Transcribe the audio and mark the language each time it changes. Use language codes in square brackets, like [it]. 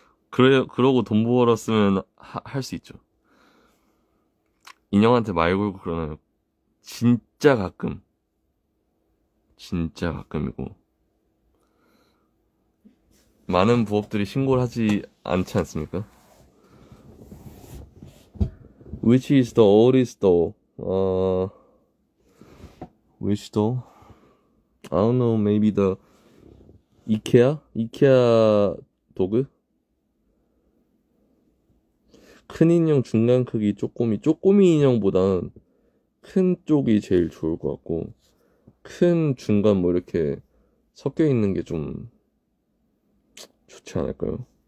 [ko] 그러고 돈 벌었으면 할수 있죠. 인형한테 말 걸고 그러나요? 진짜 가끔. 진짜 가끔이고. 많은 부업들이 신고를 하지 않지 않습니까? [en] Which is the oldest doll? Which doll? I don't know, maybe the IKEA? IKEA dog? [ko] 큰 인형 중간 크기 쪼꼬미 인형보다는 큰 쪽이 제일 좋을 것 같고, 큰 중간 뭐 이렇게 섞여 있는 게좀 좋지 않을까요?